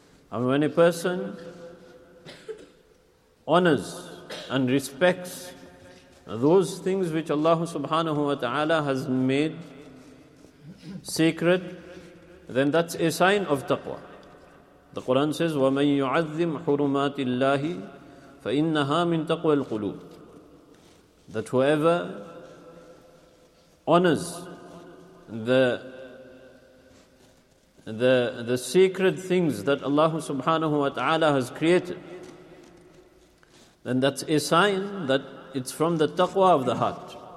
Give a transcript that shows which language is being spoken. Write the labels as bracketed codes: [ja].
[en] And when a person honors and respects those things which Allah subhanahu wa ta'ala has made sacred, then that's a sign of taqwa. The Quran says, [ar] وَمَنْ يُعَذِّمْ حُرُمَاتِ اللَّهِ فَإِنَّهَا مِنْ تَقْوَى الْقُلُوبِ. [en] That whoever honors the sacred things that Allah subhanahu wa ta'ala has created, then that's a sign that it's from the taqwa of the heart.